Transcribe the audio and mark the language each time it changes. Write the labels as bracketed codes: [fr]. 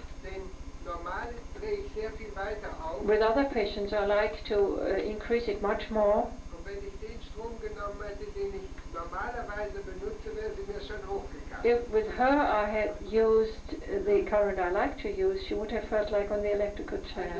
[de] Denn normal drehe ich sehr viel weiter auf. [en] With other patients, I like to increase it much more. [de] Und wenn ich den Strom genommen hätte, den ich normalerweise benutze, wäre sie mir schon hochgegangen. [en] If with her I had used the current I like to use, she would have felt like on the electrical chair.